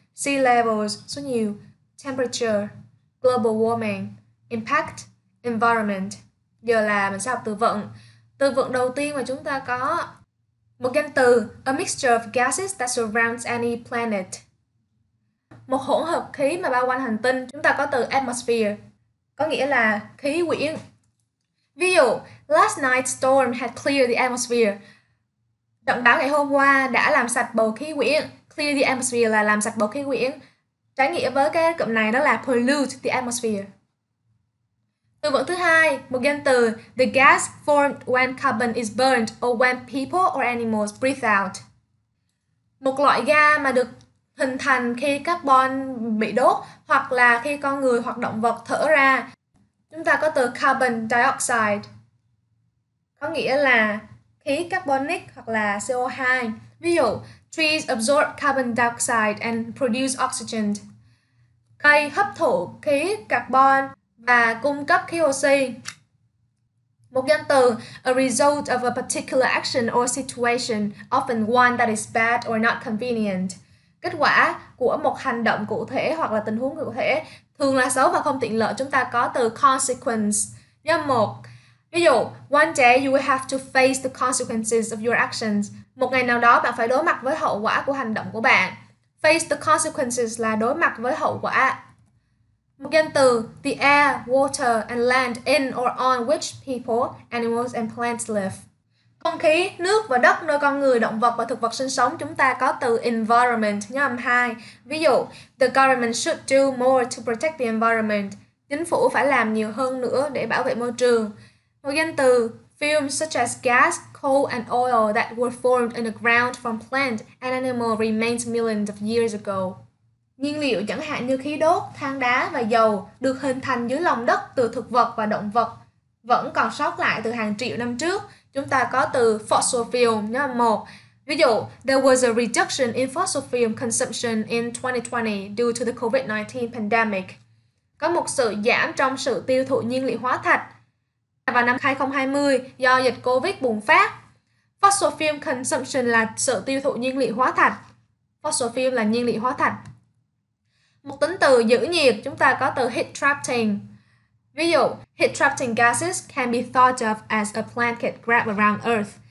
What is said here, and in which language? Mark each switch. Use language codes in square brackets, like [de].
[en] Sea levels, [vi] số nhiều. [en] Temperature, global warming, impact, environment. [vi] Giờ là mình sẽ học từ vựng. Từ vựng đầu tiên mà chúng ta có một danh từ, [en] a mixture of gases that surrounds any planet. [vi] Một hỗn hợp khí mà bao quanh hành tinh, chúng ta có từ atmosphere, có nghĩa là khí quyển. Ví dụ, [en] last night's storm had cleared the atmosphere. [vi] Trận bão ngày hôm qua đã làm sạch bầu khí quyển. [en] Clear the atmosphere [vi] là làm sạch bầu khí quyển. Trái nghĩa với cái cụm này đó là [en] pollute the atmosphere. [vi] Từ vựng thứ hai, một danh từ, [en] the gas formed when carbon is burned or when people or animals breathe out. [vi] Một loại ga mà được hình thành khi carbon bị đốt hoặc là khi con người hoặc động vật thở ra. Chúng ta có từ carbon dioxide, có nghĩa là khí carbonic hoặc là CO2. Ví dụ, [en] trees absorb carbon dioxide and produce oxygen. [vi] Cây hấp thụ khí carbon và cung cấp khí oxy. Một danh từ, [en] a result of a particular action or situation, often one that is bad or not convenient. [vi] kết quả của một hành động cụ thể hoặc là tình huống cụ thể thường là xấu và không tiện lợi, chúng ta có từ consequence. Nhớ một. Ví dụ, [en] one day you will have to face the consequences of your actions. [vi] Một ngày nào đó bạn phải đối mặt với hậu quả của hành động của bạn. [en] Face the consequences [vi] là đối mặt với hậu quả. Một danh từ, [en] the air, water and land in or on which people, animals and plants live. [vi] Không khí, nước và đất nơi con người, động vật và thực vật sinh sống, chúng ta có từ environment, nhớ âm 2. Ví dụ, [en] the government should do more to protect the environment. [vi] Chính phủ phải làm nhiều hơn nữa để bảo vệ môi trường. Một danh từ, [en] fumes such as gas, coal and oil that were formed in the ground from plant and animal remains millions of years ago. [vi] Nhiên liệu chẳng hạn như khí đốt, than đá và dầu được hình thành dưới lòng đất từ thực vật và động vật vẫn còn sót lại từ hàng triệu năm trước. Chúng ta có từ fossil fuel, nhớ một. Ví dụ, [en] there was a reduction in fossil fuel consumption in 2020 due to the COVID-19 pandemic. [vi] Có một sự giảm trong sự tiêu thụ nhiên liệu hóa thạch vào năm 2020 do dịch COVID bùng phát. [en] Fossil fuel consumption [vi] là sự tiêu thụ nhiên liệu hóa thạch. Fossil fuel là nhiên liệu hóa thạch. Một tính từ giữ nhiệt, chúng ta có từ [en] heat trapping. [vi] Ví dụ, [en] heat trapping gases can be thought of as a blanket wrapped around Earth.